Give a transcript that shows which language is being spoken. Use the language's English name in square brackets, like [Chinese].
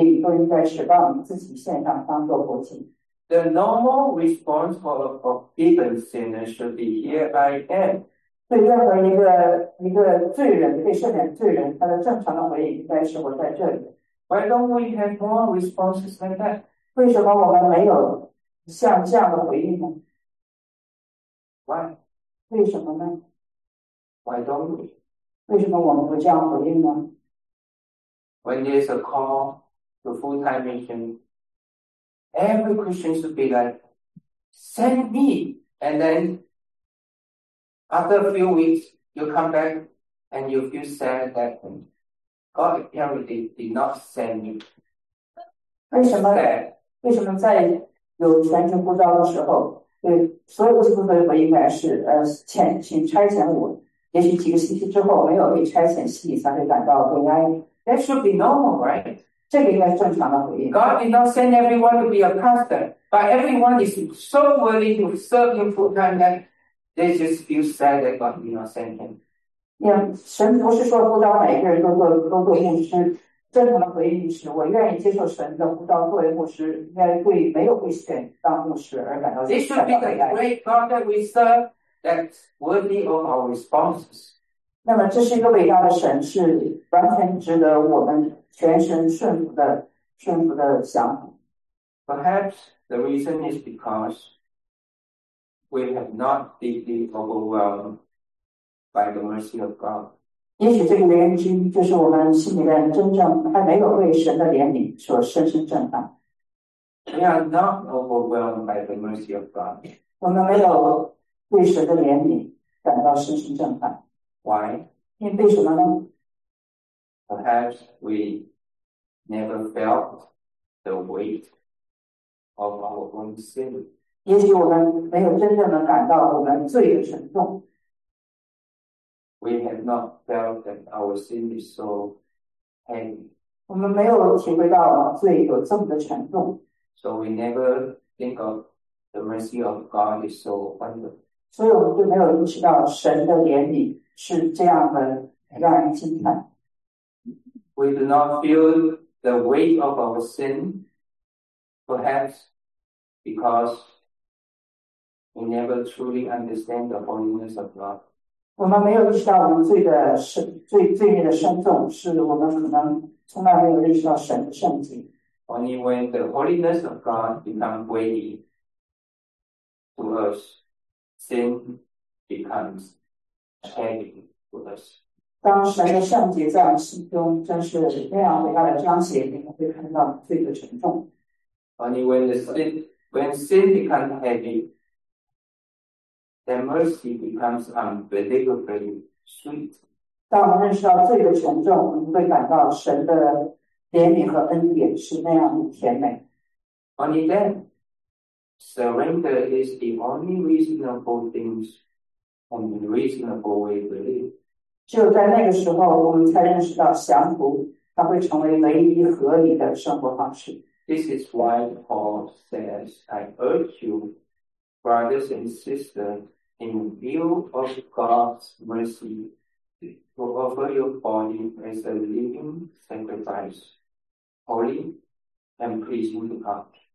[Chinese] 对神的那种怜悯的回应，都应该是把我们自己献上当做活祭。 [English] The normal response for a forgiven sinner should be, "Here I am." [Chinese] 对任何一个罪人，被赦免的罪人，他的正常的回应应该是：“我在这里。” [English] Why don't we have more responses like that? [Chinese] 为什么我们没有像这样的回应呢？ [English] Why? [Chinese] 为什么呢？ [English] Why don't we? [Chinese] 为什么我们不这样回应呢？ [English] When there's a call to full-time mission, every Christian should be like, "Send me." And then after a few weeks, you come back and you feel sad that God apparently did not send you. [Chinese] 为什么在有全权呼召的时候，对，所有的这部分应该是请差遣五，也许几个星期之后没有被差遣，心理上就感到不安。 [English] That should be normal, right? [Chinese] 这个应该正常的回应。 [English] God did not send everyone to be a pastor, but everyone is so willing to serve him full time that they just feel sad that God did not send him. [Chinese] 神不是说呼召每个人都做牧师，正常的回应是我愿意接受神的呼召作为牧师，应该对没有被选当牧师而感到 [English] This should [Chinese] 感 [English] be [Chinese] 到悲 [English] the great God that we serve that's worthy of our responses. [Chinese] 那么这是一个伟大的神，是完全值得我们全身顺服的想法。 [English] Perhaps the reason is because we have not deeply overwhelmed by the mercy of God. [Chinese] 也许这个原因就是我们心里面真正还没有被神的怜悯所深深震撼。 [English] We are not overwhelmed by the mercy of God. [Chinese] 我们没有对神的怜悯感到深深震撼， [English] Why? [Chinese] 因为什么呢？ [English] Perhaps we never felt the weight of our own sin. [Chinese] 也许我们没有真正的感到我们罪的沉重。 [English] We have not felt that our sin is so heavy. [Chinese] 我们没有体会到罪有这么的沉重。 [English] So we never think of the mercy of God is so wonderful. [Chinese] 所以我们就没有意识到神的怜悯是这样的让人惊叹。 [English] We do not feel the weight of our sin, perhaps because we never truly understand the holiness of God. [Chinese] 我们没有意识到我们罪的深，罪孽的深重，是我们可能从来没有认识到神的圣洁。 [English] Only when the holiness of God becomes weighty to us, sin becomes heavy to us. [Chinese] 当神的圣洁在我们心中真是那样伟大的彰显，你们会看到罪的沉重。 [English] Only when sin becomes heavy, then mercy becomes unbelievably sweet. [Chinese] 当我们认识到罪的沉重，我们会感到神的怜悯和恩典是那样的甜美。 [English] Only then, surrender is the only reasonable things, only reasonable way to live. [Chinese] 只有在那个时候，我们才认识到降服，它会成为唯一合理的生活方式。 [English] This is why Paul says, I urge you, brothers and sisters, in view of God's mercy, to offer your body as a living sacrifice, holy and pleasing to God.